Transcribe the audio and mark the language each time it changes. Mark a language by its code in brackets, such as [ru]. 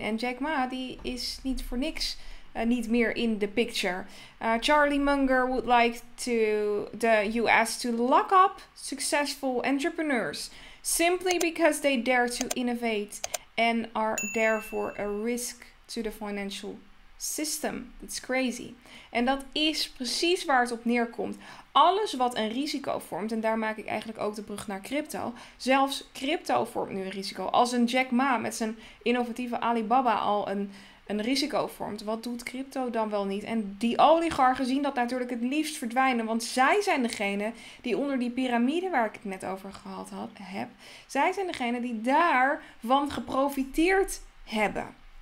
[nl] En Jack Ma, die is niet voor niks niet meer [en] in the picture. Charlie Munger would like to the US to lock up successful entrepreneurs simply because they dare to innovate and are therefore a risk to the financial system. It's crazy. [nl] En dat is precies waar het op neerkomt. Alles wat een risico vormt, en daar maak ik eigenlijk ook de brug naar crypto. Zelfs crypto vormt nu een risico. Als een Jack Ma met zijn innovatieve Alibaba al een risico vormt. Wat doet crypto dan wel niet? En die oligarchen zien dat natuurlijk het liefst verdwijnen, want zij zijn degene die onder die piramide waar ik het net over gehad heb, zij zijn degene die daarvan geprofiteerd hebben.